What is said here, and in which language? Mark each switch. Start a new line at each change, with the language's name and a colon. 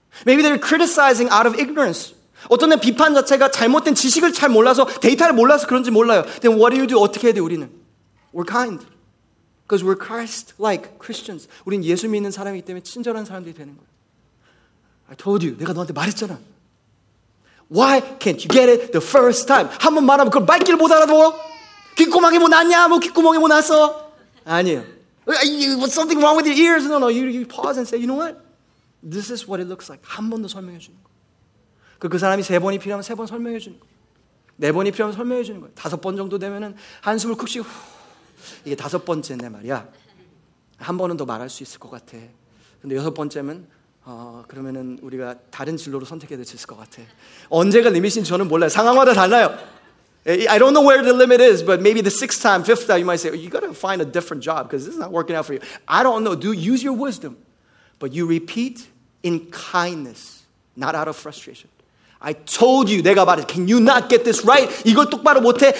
English: Maybe they're criticizing out of ignorance.
Korean: 어떤 애 비판 자체가 잘못된 지식을 잘 몰라서 데이터를 몰라서 그런지 몰라요.
English: Then what do you do?
Korean: 어떻게 해야 돼 우리는?
English: We're kind. Because we're Christ-like Christians.
Korean: 우린 예수 믿는 사람이기 때문에 친절한 사람들이 되는 거예요.
English: I told you.
Korean: 내가 너한테 말했잖아.
English: Why can't you get it the first time?
Korean: 한 번 말하면 그걸 말귀를 못 알아둬. 귓구멍이 뭐 났냐? 뭐 귓구멍이 뭐 났어? 아니에요.
English: Something wrong with your ears? No, no. You pause and say, you know what? This is what it looks like.
Korean: 한 번 더 설명해 주는 거예요. 그 사람이 세 번이 필요하면 세 번 설명해 주는 거예요. 네 번이 필요하면 설명해 주는 거예요. 다섯 번 정도 되면은 한숨을 쿡 쉬고 후, 이게 다섯 번째인데 말이야. 한 번은 더 말할 수 있을 것 같아. 근데 여섯 번째면 그러면은 우리가 다른 진로로 선택해야 될 수 있을 것 같아. 언제가 리밋인지 저는 몰라요. 상황마다 달라요.
English: I don't know where the limit is, but maybe the sixth time, fifth time, you might say, you gotta find a different job because this is not working out for you. I don't know. Do use your wisdom. But you repeat in kindness, not out of frustration. I told you,
Korean: 내가 말했어.
English: Can you not get this right?
Korean: 이걸 똑바로 못해.